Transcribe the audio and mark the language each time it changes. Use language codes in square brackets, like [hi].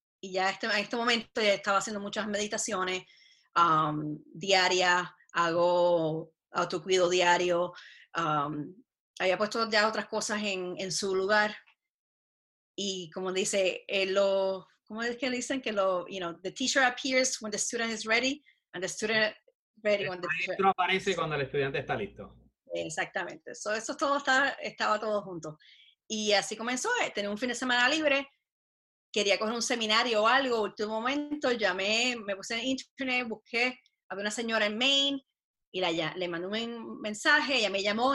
[es] Y ya en este momento ya estaba haciendo muchas meditaciones diarias. Hago autocuido diario. Había puesto ya otras cosas en su lugar. Y como dice, ¿cómo es que dicen? Que lo, [en] you know, the teacher appears when the student is ready. And the student ready when the teacher. [es] El maestro aparece cuando el estudiante está listo. Exactamente. So, eso todo estaba todo junto. Y así comenzó. Tenía un fin de semana libre. Quería coger un seminario o algo. Último momento, llamé, me puse en internet, busqué. Había una señora en Maine. Y le mandé un mensaje. Ella me llamó.